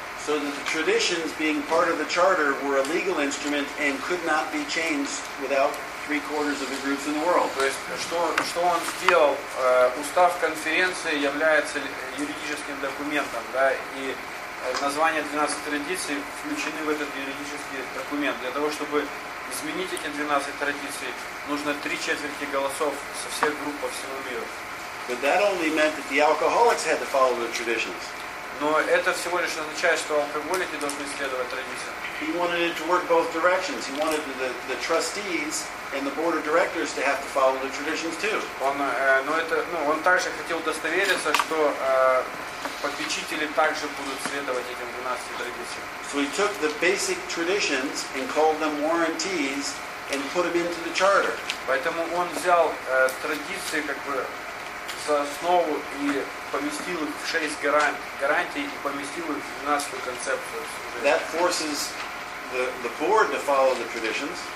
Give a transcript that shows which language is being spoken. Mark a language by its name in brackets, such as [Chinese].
[English] So that the traditions being part of the charter were a legal instrument and could not be changed without 3/4 of the groups in the world. [Russian] То есть, что он сделал? Устав конференции является юридическим документом, да, и название 12 традиций включены в этот юридический документ. Для того, чтобы изменить эти 12 традиций, нужно 3/4 голосов со всех групп по всему миру. [English] But that only meant that the alcoholics had to follow the traditions. [Russian] Но это всего лишь означает, что алкоголики должны следовать традициям. [English] He wanted it to work both directions. He wanted the trustees and the board of directors to have to follow the traditions too. [Russian] Он также хотел удостовериться, что попечители также будут следовать этим 12 традициям. [English] So he took the basic traditions and called them warranties and put them into the charter. [Russian] Поэтому он взял традиции как бы за основу и поместил их в 6 гарантий и поместил их в 12 концепцию. [English] That forces the board to follow the traditions.